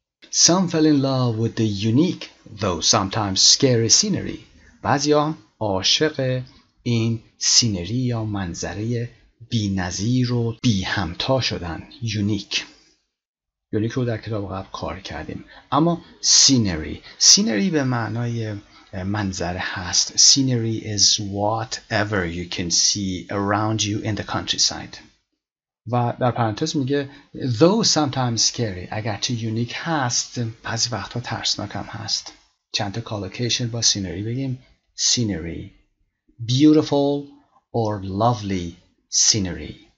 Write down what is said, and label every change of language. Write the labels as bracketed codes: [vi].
[en] Some fell in love with the unique though sometimes scary scenery. [fa] بعضی هم عاشق این سینری یا منظره بی نظیر و بی همتا شدن. یونیک رو در کتاب قبل کار کردیم. اما سینری به معنای منظره هست. [en] Scenery is whatever you can see around you in the countryside. [fa] و در پرانتز میگه [en] though sometimes scary، [fa] اگرچه یونیک هست، بعضی وقتها ترسناک هم هست. چند تا کالوکیشن با سینری بگیم. [en] Scenery beautiful or lovely scenery.